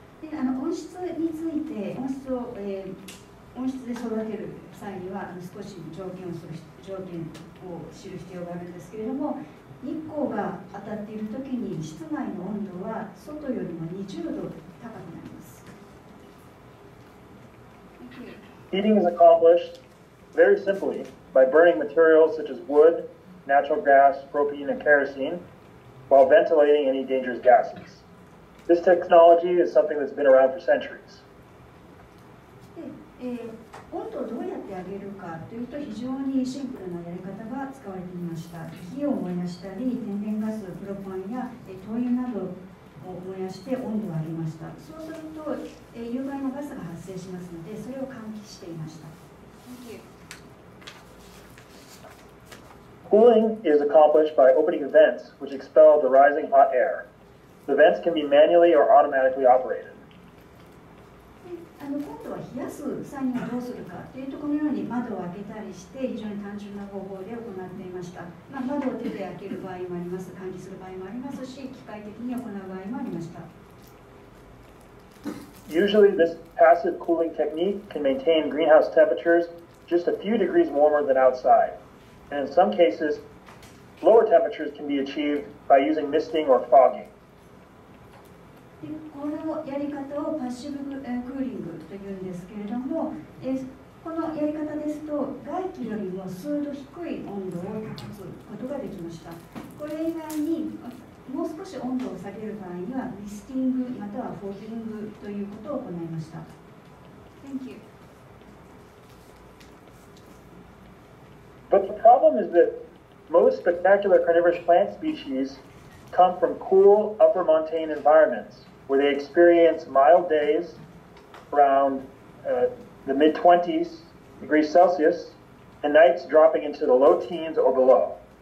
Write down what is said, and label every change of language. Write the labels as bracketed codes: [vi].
[en] Heating is accomplished very simply by burning materials such as wood, natural gas, propane, and kerosene while ventilating any dangerous gases. This technology is something that's been around for centuries. [ja] 温度をどうやって上げるかというと非常にシンプルなやり方が使われていました。火を燃やしたり、天然ガス、プロパンや灯油などを燃やして温度を上げました。そうすると有害なガスが発生しますので、それを換気していました。 [en] Cooling is accomplished by opening vents, which expel the rising hot air. The vents can be manually or automatically operated. [ja] 今度は冷やす際にはどうするかというと、このように窓を開けたりして非常に単純な方法で行っていました。まあ、窓を手で開ける場合もあります、換気する場合もありますし、機械的に行う場合もありました。 [en] Usually this passive cooling technique can maintain greenhouse temperatures just a few degrees warmer than outside, and in some cases lower temperatures can be achieved by using misting or fogging. [ja] このやり方をパッシブクーリングというんですけれども、このやり方ですと外気よりも数度低い温度を保つことができました。これ以外にもう少し温度を下げる場合にはミスティングまたはフォーキングということを行いました。 [en] Thank you. But the problem is that most spectacular carnivorous plant species come from cool upper montane environmentsWhere they experience mild days around the mid 20s degrees Celsius and nights dropping into the low teens or below.